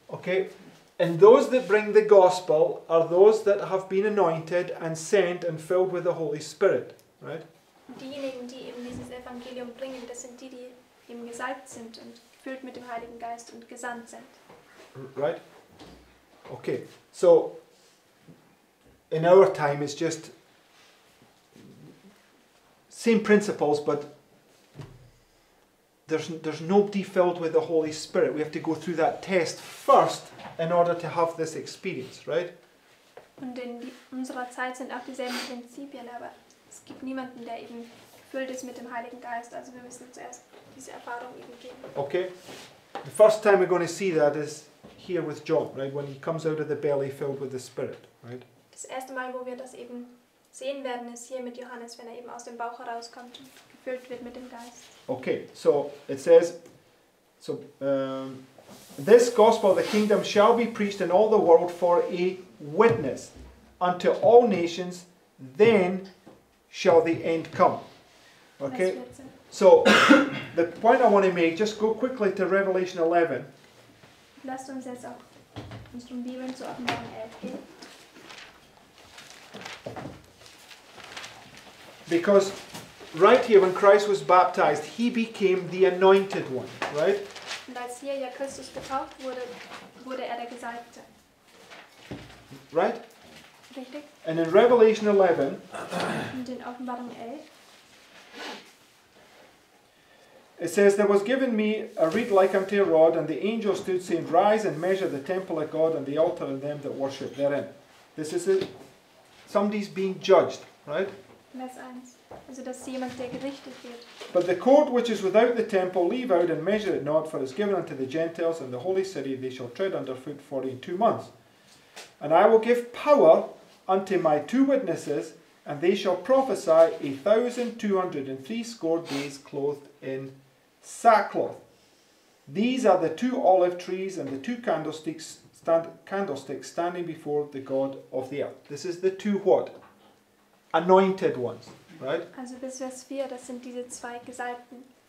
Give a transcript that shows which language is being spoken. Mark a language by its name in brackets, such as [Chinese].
[English] Okay, and those that bring the gospel are those that have been anointed and sent and filled with the Holy Spirit, right? [German] Diejenigen, die eben dieses Evangelium bringen, das sind die, die eben gesalbt sind und gefüllt mit dem Heiligen Geist und gesandt sind. [English] Right? Okay, so in our time it's just same principles, but there's nobody filled with the Holy Spirit. We have to go through that test first in order to have this experience, right? [German] Und in unserer Zeit sind auch dieselben Prinzipien, aber es gibt niemanden, der eben gefüllt ist mit dem Heiligen Geist. Also wir müssen zuerst diese Erfahrung eben geben. [English] Okay. The first time we're going to see that is here with John, right? When he comes out of the belly filled with the Spirit, right? [German] Das erste Mal, wo wir das eben sehen werden, ist hier mit Johannes, wenn er eben aus dem Bauch herauskommt und gefüllt wird mit dem Geist. [English] Okay, so it says, so this gospel of the kingdom shall be preached in all the world for a witness unto all nations, then shall the end come. Okay, so the point I want to make, just go quickly to Revelation 11. [German] Lasst uns jetzt auch unsere Bibeln zu Offenbarung 11 gehen. [English] Because right here, when Christ was baptized, he became the anointed one, right? [German] Und als hier ja Christus getauft wurde, wurde er der Gesalbte. [English] Right? [German] Richtig. [English] And in Revelation 11, [German] und in Offenbarung 11, [English] it says, there was given me a reed like unto a rod, and the angel stood, saying, rise and measure the temple of God and the altar and them that worship therein. This is it. Somebody's being judged, right? [German] Also, dass jemand, der gerichtet wird. [English] But the court which is without the temple, leave out and measure it not, for it is given unto the Gentiles and the holy city, they shall tread underfoot 42 months. And I will give power unto my two witnesses, and they shall prophesy 1,260 days clothed in sackcloth. These are the two olive trees and the two candlesticks, candlesticks standing before the God of the earth. This is the two what? Anointed ones, right? [German] Also bis Vers 4, das sind diese zwei Gesalbten.